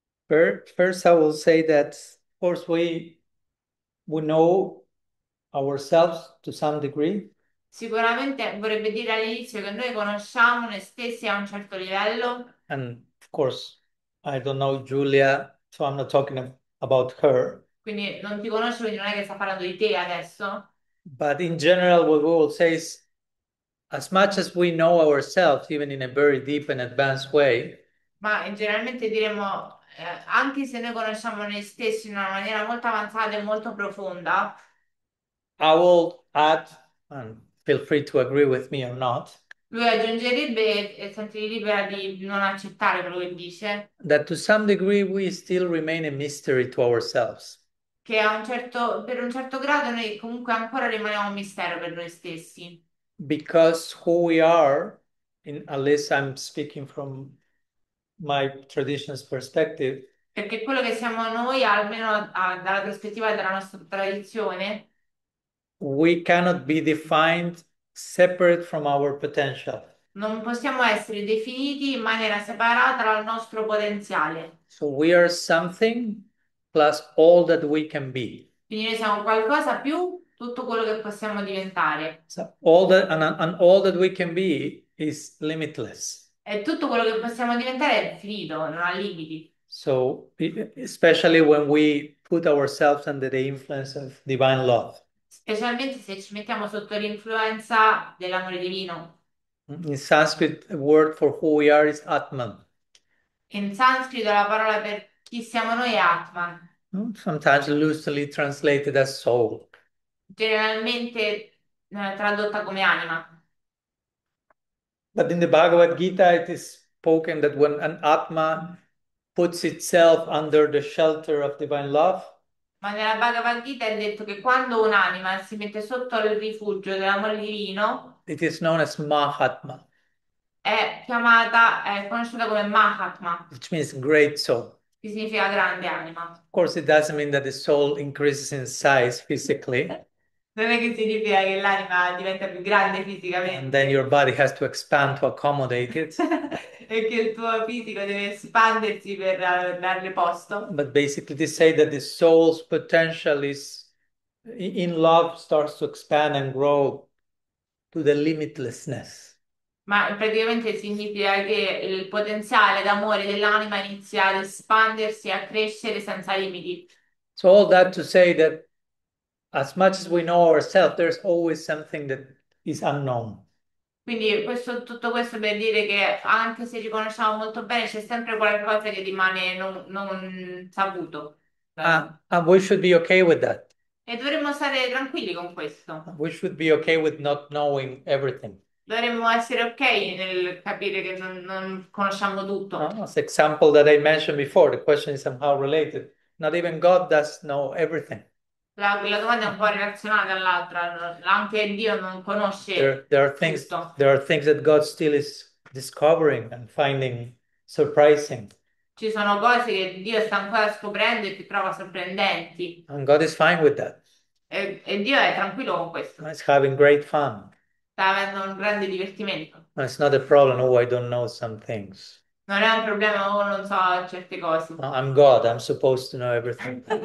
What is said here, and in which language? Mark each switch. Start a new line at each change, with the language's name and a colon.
English: First, I will say that, of course, we know ourselves to some degree.
Italian: Sicuramente vorrebbe dire all'inizio che noi conosciamo noi stessi a un certo livello.
English: And of course, I don't know Julia, so I'm not talking about her.
Italian: Quindi non ti conosce, quindi non è che sta parlando di te adesso.
English: But in general, what we will say is, as much as we know ourselves, even in a very deep and advanced way,
Italian: Ma generalmente diremo, anche se noi conosciamo noi stessi in una maniera molto avanzata e molto profonda.
English: I will add, and feel free to agree with me or not,
Italian: Lui aggiungerebbe e sentirebbe libera di non accettare quello che dice,
English: that to some degree we still remain a mystery to ourselves.
Italian: che a un certo, per un certo grado noi comunque ancora rimaniamo un mistero per noi stessi.
English: Because who we are, at least I'm speaking from my tradition's perspective,
Italian: Perché quello che siamo noi, almeno dalla prospettiva della nostra tradizione,
English: we cannot be defined separate from our potential.
Italian: non possiamo essere definiti in maniera separata dal nostro potenziale.
English: So we are something plus all that we can be.
Italian: Quindi noi siamo qualcosa più tutto quello che possiamo diventare.
English: So all that we can be is limitless.
Italian: E tutto quello che possiamo diventare è finito, non ha limiti.
English: So especially when we put ourselves under the influence of divine love.
Italian: Specialmente se ci mettiamo sotto l'influenza dell'amore divino.
English: In Sanskrit, the word for who we are is Atman.
Italian: In sanscrito la parola per chi siamo noi è Atman.
English: Sometimes loosely translated as soul.
Italian: Generalmente tradotta come anima.
English: But in the Bhagavad Gita, it is spoken that when an Atma puts itself under the shelter of divine love,
Italian: Ma nella Bhagavad Gita è detto che quando un'anima si mette sotto il rifugio dell'amore divino,
English: it is known as Mahatma,
Italian: è chiamata, è conosciuta come Mahatma,
English: which means great soul.
Italian: che significa grande anima.
English: Of course, it doesn't mean that the soul increases in size physically,
Italian: Non è che significa che l'anima diventa più grande
English: and then
Italian: fisicamente,
English: your body has to expand to accommodate
Italian: è che il tuo fisico deve espandersi per darle
English: it.
Italian: posto.
English: But basically, they say that the soul's potential is in love starts to expand and grow to the limitlessness.
Italian: Ma praticamente significa che il potenziale d'amore dell'anima inizia ad espandersi e a crescere senza limiti.
English: So all that to say that as much as we know ourselves, there's always something that is unknown.
Italian: Quindi questo, tutto questo per dire che anche se ci conosciamo molto bene, c'è sempre qualcosa che rimane non saputo.
English: And we should be okay with that.
Italian: E dovremmo stare tranquilli con questo.
English: We should be okay with not knowing everything.
Italian: Dovremmo essere ok nel capire che non conosciamo tutto.
English: No, this example that I mentioned before, the question is somehow related. Not even God does know everything.
Italian: La domanda è un po' relazionata all'altra, anche Dio non conosce tutto.
English: There are things that God still is discovering and finding surprising.
Italian: Ci sono cose che Dio sta ancora scoprendo e che trova sorprendenti.
English: And God is fine with that.
Italian: E Dio è tranquillo con questo.
English: It's having great fun.
Italian: Sta avendo un grande divertimento.
English: And it's not a problem, oh, I don't know some things.
Italian: Non è un problema, oh, non so certe cose.
English: No, I'm God, I'm supposed to know everything.